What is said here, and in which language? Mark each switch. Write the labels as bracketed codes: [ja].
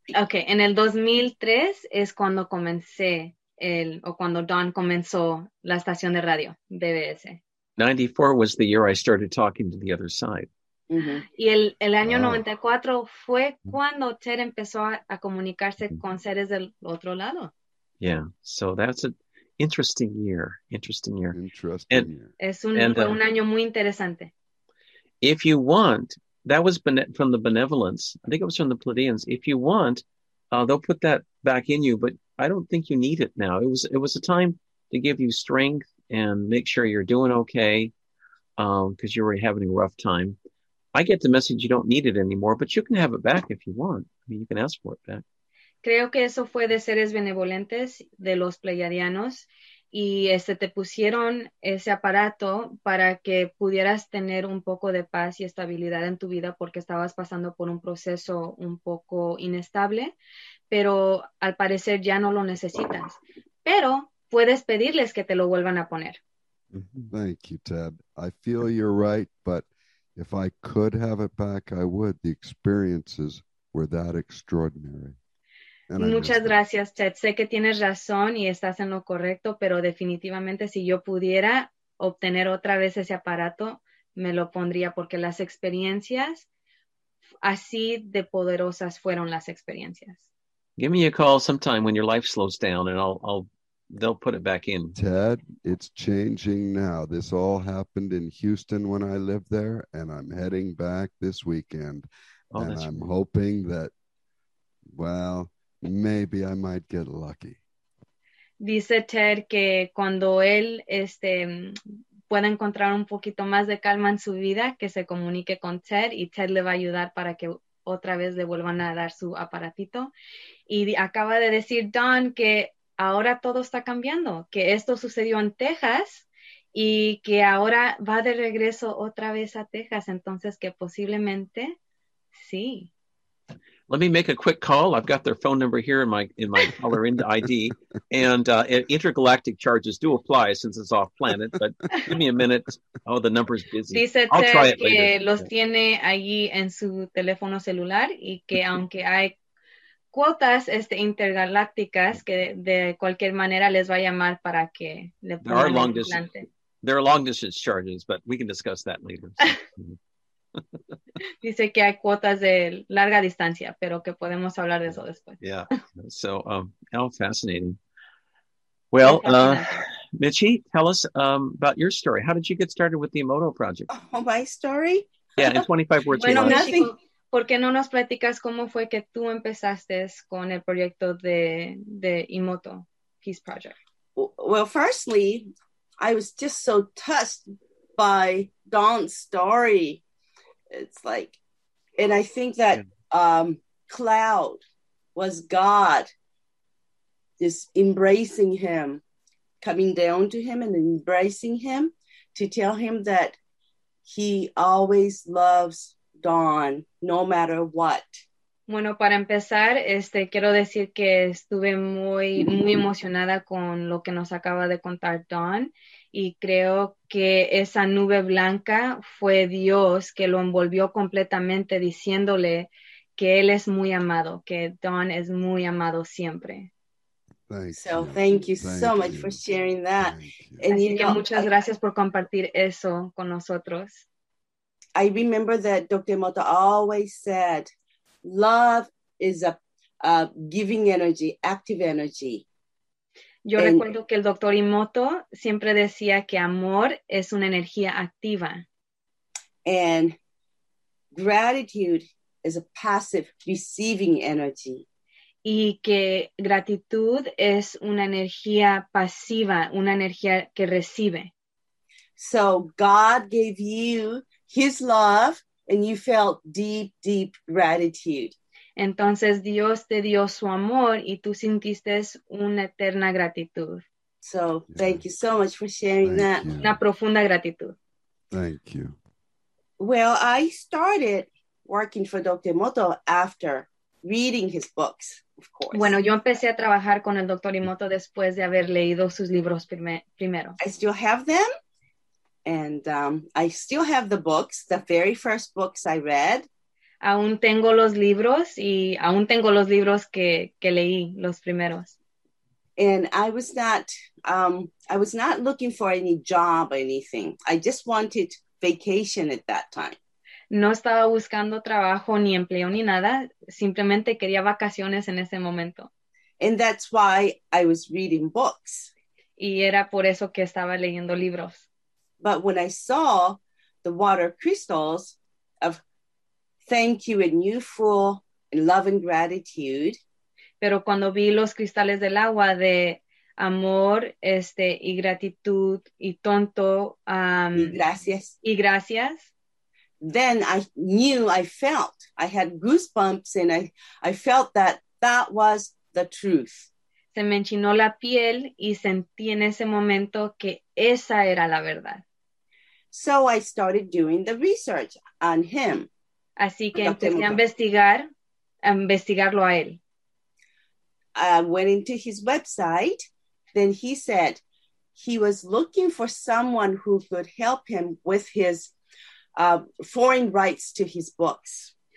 [es] Okay, en el 2003 es cuando comencé cuando Don comenzó la estación de radio, BBS. [en] 94 was the year I started talking to the other side. [es] Mm-hmm. Y el año 94 fue cuando Ted empezó a comunicarse con seres del otro lado. [en] Yeah, so that's an interesting year. Interesting year. Interesting year. [es] Un año muy interesante. [en] If you want, that was from the Benevolence. I think it was from the Pleiadians. If you want, they'll put that back in you, but I don't think you need it now. It was a time to give you strength and make sure you're doing okay because you were having a rough time. I get the message you don't need it anymore, but you can have it back if you want. I mean, you can ask for it back. [es] Creo que eso fue de seres benevolentes de los pleiadianos y te pusieron ese aparato para que pudieras tener un poco de paz y estabilidad en tu vida porque estabas pasando por un proceso un poco inestable, pero al parecer ya no lo necesitas. Pero puedes pedirles que te lo vuelvan a poner. [en] Thank you, Ted. I feel you're right, but if I could have it back, I would. The experiences were that extraordinary. [es] Muchas gracias, Ted. Sé que tienes razón y estás en lo correcto, pero definitivamente si yo pudiera obtener otra vez ese aparato, me lo pondría porque las experiencias, así de poderosas fueron las experiencias. [en] Give me a call sometime when your life slows down and they'll put it back in. Ted, it's changing now. This all happened in Houston when I lived there, and I'm heading back this weekend. Oh, and that's I'm right. Hoping that, well, maybe I might get lucky. [es] Dice Ted que cuando él pueda encontrar un poquito más de calma en su vida, que se comunique con Ted, y Ted le va a ayudar para que otra vez le vuelvan a dar su aparatito. Y acaba de decir Don que ahora todo está cambiando, que esto sucedió en Texas y que ahora va de regreso otra vez a Texas. Entonces, que posiblemente, sí. [en] Let me make a quick call. I've got their phone number here in my caller ID. And intergalactic charges do apply since it's off planet. But give me a minute. Oh, the number's busy. [es] Dice [en] I'll try it later. [es] Que los tiene allí en su teléfono celular y que aunque hay cuotas intergalácticas que de cualquier manera les va a llamar para que le pongan el implante. [en] There are long distance charges, but we can discuss that later. So. [es] Dice que hay cuotas de larga distancia, pero que podemos hablar de eso después. [en] Yeah, so how fascinating. Well, Michi, tell us about your story. How did you get started with the Emoto project? Oh, my story? Yeah, in 25 words. [es] Bueno, ¿por qué no nos platicas cómo fue que tú empezaste con el proyecto de Emoto, Peace Project? [en] Well, firstly, I was just so touched by Don's story. It's like, and I think that cloud was God just embracing him, coming down to him and embracing him to tell him that he always loves Dawn, no matter what. [es] Bueno, para empezar, quiero decir que estuve muy, muy emocionada con lo que nos acaba de contar Dawn. Y creo que esa nube blanca fue Dios que lo envolvió completamente diciéndole que él es muy amado, que Dawn es muy amado siempre. [en] Thank you so much for sharing that. [es] Así que muchas gracias por compartir eso con nosotros. [en] I remember that Dr. Mota always said, love is a giving energy, active energy. [es] Yo recuerdo que el Dr. Imoto siempre decía que amor es una energía activa. [en] And gratitude is a passive receiving energy. [es] Y que gratitud es una energía pasiva, una energía que recibe. [en] So God gave you his love and you felt deep, deep gratitude. [es] Entonces Dios te dio su amor y tú sintiste una eterna gratitud. [en] So thank you so much for sharing that. [es] Una profunda gratitud. [en] Thank you. Well, I started working for Dr. Imoto after reading his books, of course. [es] Bueno, yo empecé a trabajar con el Dr. Imoto después de haber leído sus libros primero. [en] I still have them. And I still have the books, the very first books I read. [es] Aún tengo los libros y aún tengo los libros que leí, los primeros. [en] And I was not looking for any job or anything. I just wanted vacation at that time. [es] No estaba buscando trabajo ni empleo ni nada. Simplemente quería vacaciones en ese momento. [en] And that's why I was reading books. [es] Y era por eso que estaba leyendo libros. [en] But when I saw the water crystals of thank you and you full and love and gratitude. [es] Pero cuando vi los cristales del agua de amor y gratitud y tonto. Y gracias. [en] Then I knew, I felt, I had goosebumps and I felt that was the truth. [es] Se me enchinó la piel y sentí en ese momento que esa era la verdad. [en] So I started doing the research on him. [es] Así que empecé a investigarlo a él. [en] I went into his website. Then he said he was looking for someone who could help him with his foreign rights to his books.